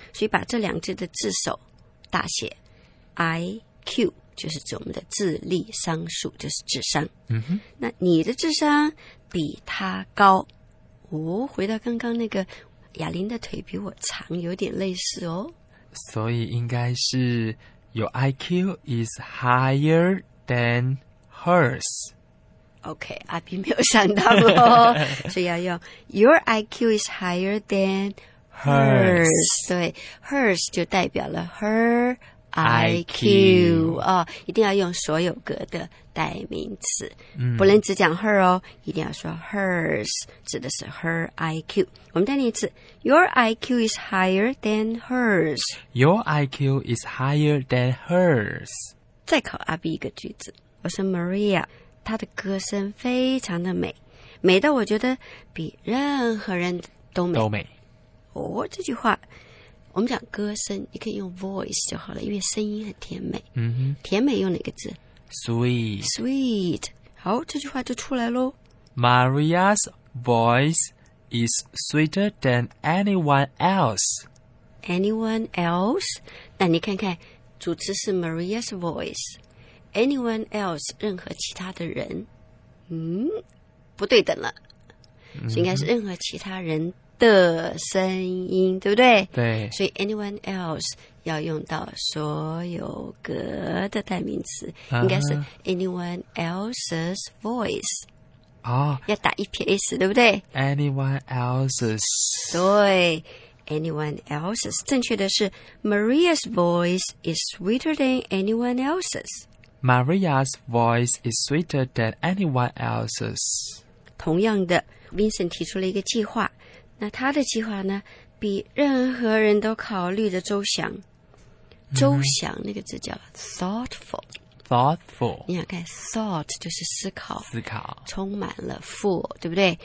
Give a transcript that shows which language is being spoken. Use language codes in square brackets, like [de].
[zh] 所以把这两字的字首大写 ，i q。就是指我们的智力商数，就是智商。嗯哼，那你的智商比他高哦。回到刚刚那个，雅琳的腿比我长，有点类似哦。所以应该是 [en] your IQ is higher than hers。 [zh] OK， 阿比没有想到哦，所以要用 [en] your IQ is higher than hers。 [zh] 对 ，hers 就代表了 her。 [en] IQ [zh] 哦，一定要用所有格的代名词，嗯，不能只讲 her 哦，一定要说 hers， 指的是 her IQ。我们再念一次 [en] ，Your IQ is higher than hers. Your IQ is higher than hers. [zh] 再考阿 B 一个句子，我说 Maria， 她的歌声非常的美，美到我觉得比任何人都美都美。哦，这句话。我们讲歌声，你可以用 voice 就好了，因为声音很甜美。嗯哼，甜美用哪个字？ [en] sweet， [zh] sweet。 好，这句话就出来咯。 [en] Maria's voice is sweeter than anyone else. Anyone else？ [zh] 那你看看，主词是 Maria's voice， anyone else 任何其他的人，嗯，不对等了，应该是任何其他人。的声音，对不对？对，所以 anyone else 要用到所有格的代名词，应该是 [en] anyone else's voice。 [zh] 哦，要打一撇 s， 对不对？ [en] anyone else's，对， anyone else's， [zh] 正确的是 [en] Maria's voice is sweeter than anyone else's。 Maria's voice is sweeter than anyone else's。 [zh] 同样的， Vincent 提出了一个计划，那他的计划呢，比任何人都考虑的周详。周详那个字叫 thoughtful。 [en] thoughtful。 [zh] 你想看 thought 就是思考。思考。充满了 full， 对不对？